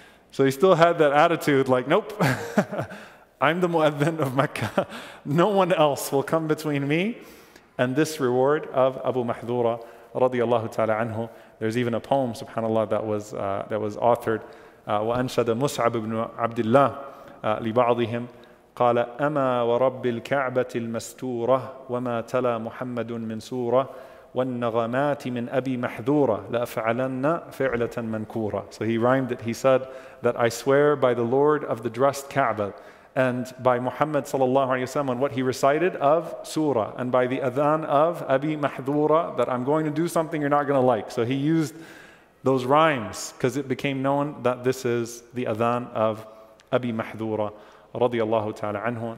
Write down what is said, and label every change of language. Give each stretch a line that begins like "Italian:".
English: So he still had that attitude like, nope, I'm the muadhin of Mecca. No one else will come between me and this reward of Abu Mahdhura radiallahu ta'ala anhu. There's even a poem, subhanAllah, that was authored.
Arabic: وَأَنْشَدَ مُسْعَبُ بْنُ عَبْدِ اللَّهِ لِبَعْضِهِمْ قال أما ورب الكعبة المستورة وما تلا محمد من سورة والنغمات من أبي محذورة لأفعلن فعلة منكورة.
English: So he rhymed it. He said that I swear by the Lord of the dressed Kaaba and by Muhammad sallallahu alayhi wa sallam and what he recited of Surah and by the Adhan of Abi Mahdhura that I'm going to do something you're not going to like. So he used those rhymes because it became known that this is the Adhan of Abi Mahdhura radiyallahu ta'ala anhu.